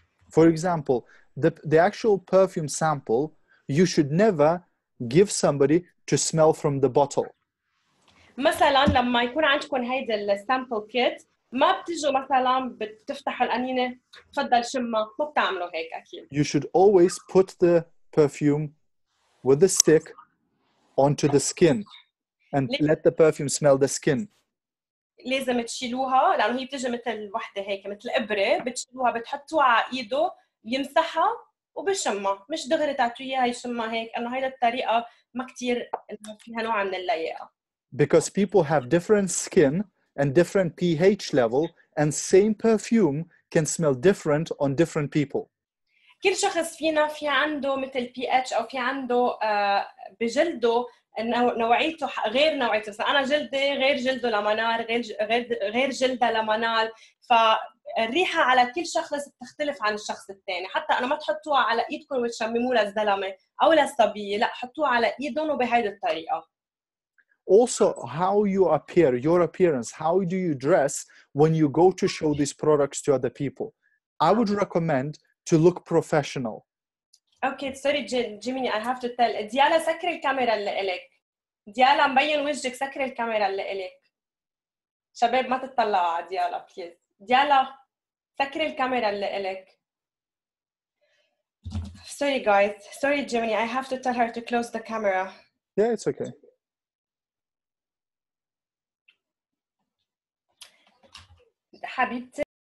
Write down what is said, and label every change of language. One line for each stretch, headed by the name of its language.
English: For example, the actual perfume sample you should never give somebody to smell from the bottle.
Arabic: مثلا لما يكون عندكم هيدا السامبل كيت ما بتجوا مثلا بتفتح القنينة تفضل شمها ما بتعملوا هيك اكيد.
English: You should always put the perfume with the stick onto the skin and let the perfume smell the skin.
Arabic: لازم تشيلوها لانه هي بتجي مثل وحده هيك مثل ابره بتشيلوها بتحطوها على ايده يمسحها وبشمها مش دغري تعطوا اياها يشمها هيك انه هيدا الطريقه ما كثير انه فيها نوع من اللياقه.
English: Because people have different skin and different pH level, and same perfume can smell different on different people.
Arabic: كل شخص فينا في عنده مثل pH أو في عنده بجلده نوعيته غير نوعيته. فأنا جلدي غير جلده لمنار غير جلده لمنال. فالريحة على كل شخص بتختلف عن الشخص الثاني. حتى أنا ما تحطوها على إيدكم وتشمموه للزلمة أو للصبية. لا حطوها على إيدهم وبهذه الطريقة.
English: Also, how you appear, your appearance, how do you dress when you go to show these products to other people? I would recommend to look professional. Okay, sorry, Jimmy, I have to tell.
Arabic: Diala, سكر الكاميرا اللي إليك. Diala, مبين وجهك سكر الكاميرا اللي إليك. شباب ما تطلعوا على Diala,
English: please.
Arabic: Diala, سكر الكاميرا اللي إليك.
English: Sorry, guys. Sorry, Jimmy, I have to tell her to close the camera. Yeah, it's okay.
Arabic: حبيبتي.